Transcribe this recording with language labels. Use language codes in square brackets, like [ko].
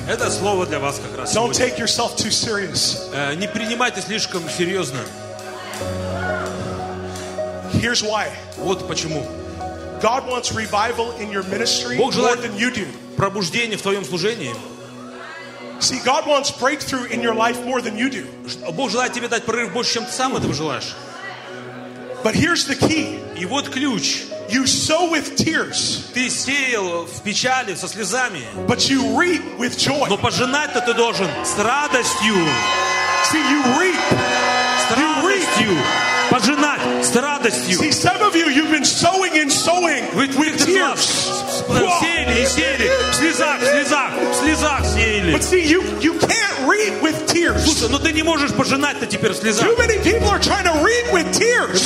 [ru] Это слово для вас как раз. [en] Don't take yourself too serious. [ru] Не принимайте слишком серьезно. [en] Here's why. [ru] Вот почему. [en] God wants revival in your ministry more than you do. [ru] Пробуждение в твоем служении. [en] See, God wants breakthrough in your life more than you do. [ru] Бог желает тебе дать прорыв больше, чем ты сам этого желаешь. [en] But here's the key. [ru] И вот ключ. [en] You sow with tears. [ru] Ты сеял в печали со слезами. [en] But you reap with joy. [ru] Но пожинать-то ты должен с радостью. [en] See, you reap. [ru] С радостью. Пожинать с радостью. [en] See, some of you, you've been sowing and sowing with tears. [ru] Сеяли и сеяли. В слезах, в слезах, в слезах сеяли. [en] But see, you can't reap with tears. [ru] Слушай, но ты не можешь пожинать-то теперь в слезах. [en] Too many people are trying to reap with tears.